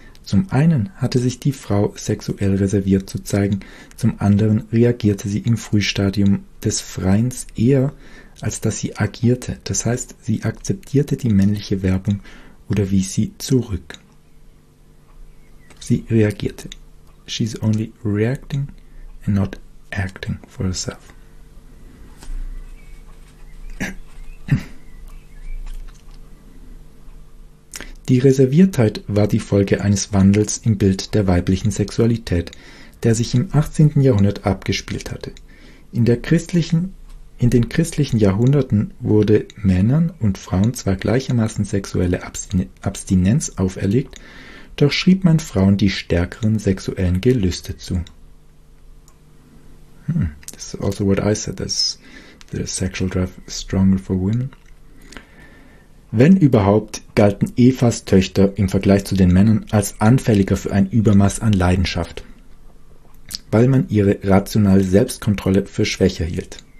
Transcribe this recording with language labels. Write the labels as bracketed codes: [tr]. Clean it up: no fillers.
[de] Zum einen hatte sich die Frau sexuell reserviert zu zeigen, zum anderen reagierte sie im Frühstadium des Freins eher, als dass sie agierte, das heißt, sie akzeptierte die männliche Werbung oder wies sie zurück. Sie reagierte. [en] She's only reacting and not acting for herself. [de] Die Reserviertheit war die Folge eines Wandels im Bild der weiblichen Sexualität, der sich im 18. Jahrhundert abgespielt hatte. In den christlichen Jahrhunderten wurde Männern und Frauen zwar gleichermaßen sexuelle Abstinenz auferlegt, doch schrieb man Frauen die stärkeren sexuellen Gelüste zu. [en] This is also what I said, that the sexual drive is stronger for women. [de] Wenn überhaupt, galten Evas Töchter im Vergleich zu den Männern als anfälliger für ein Übermaß an Leidenschaft, weil man ihre rationale Selbstkontrolle für schwächer hielt.